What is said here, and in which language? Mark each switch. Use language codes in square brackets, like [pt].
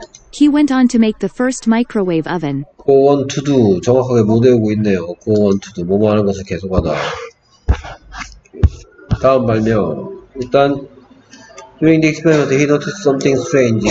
[en] He went on to make the first microwave oven. Go on to do. [ko] 정확하게 못 외우고 있네요. [en] Go on to do. [ko] 뭐뭐 하는 것을 계속하다. 다음 발명. 일단 [en] during the experiment, he noticed something strange.